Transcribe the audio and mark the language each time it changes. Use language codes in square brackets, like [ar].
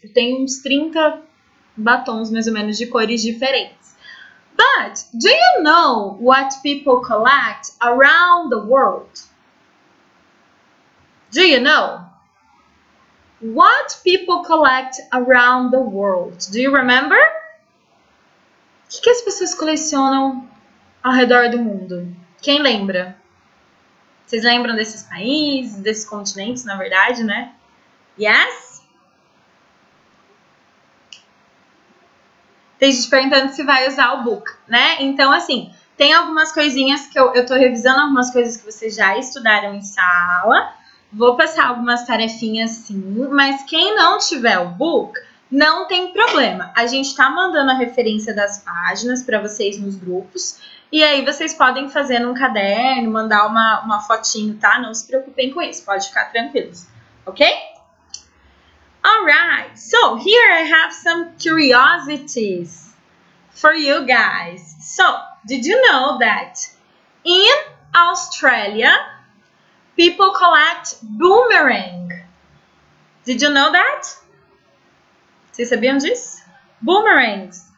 [pt] Eu tenho uns 30 batons, mais ou menos, de cores diferentes. [en] But do you know what people collect around the world? Do you know? What people collect around the world? Do you remember? [pt] O que as pessoas colecionam ao redor do mundo? Quem lembra? Vocês lembram desses países, desses continentes, na verdade, né? Yes? Tem gente perguntando se vai usar o book, né? Então, assim, tem algumas coisinhas que eu tô revisando, algumas coisas que vocês já estudaram em sala. Vou passar algumas tarefinhas, sim. Mas quem não tiver o book, não tem problema. A gente tá mandando a referência das páginas para vocês nos grupos. E aí vocês podem fazer num caderno, mandar uma fotinho, tá? Não se preocupem com isso, pode ficar tranquilos, ok? [en] Alright, so here I have some curiosities for you guys. So, did you know that in Australia, people collect boomerang? Did you know that? [pt] Vocês sabiam disso? [en] Boomerangs.